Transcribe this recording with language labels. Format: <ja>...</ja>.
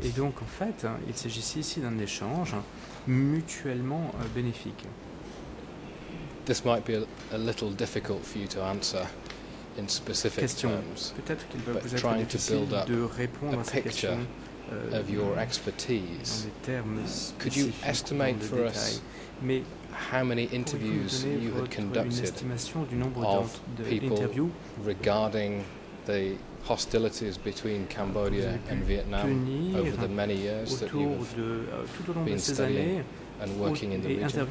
<fr>Et donc, en fait, il s'agissait ici d'un échange mutuellement bénéfique.</fr> <en>This might be a little difficult for you to answer in specific</en> <fr>question.</fr> <en>Terms.</en> <fr>Peut-être qu'il va vous être difficile de répondre à cette question.</fr> <en>Of your expertise, could you estimate for us how many interviews you had conducted of people regarding the hostilities between Cambodia and Vietnam over the many years that you've been studying and working in the region?</en>